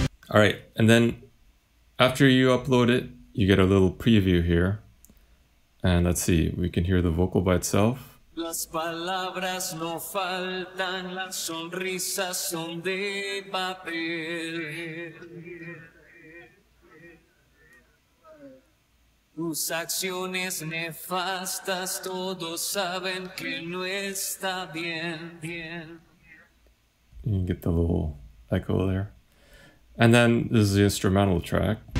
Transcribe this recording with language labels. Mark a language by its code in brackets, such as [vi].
[en] All right, and then after you upload it, you get a little preview here. And let's see, we can hear the vocal by itself. [es] Las palabras no faltan, las sonrisas son de papel. Tus acciones nefastas, todos saben que no está bien. [en] You can get the little echo there. And then this is the instrumental track.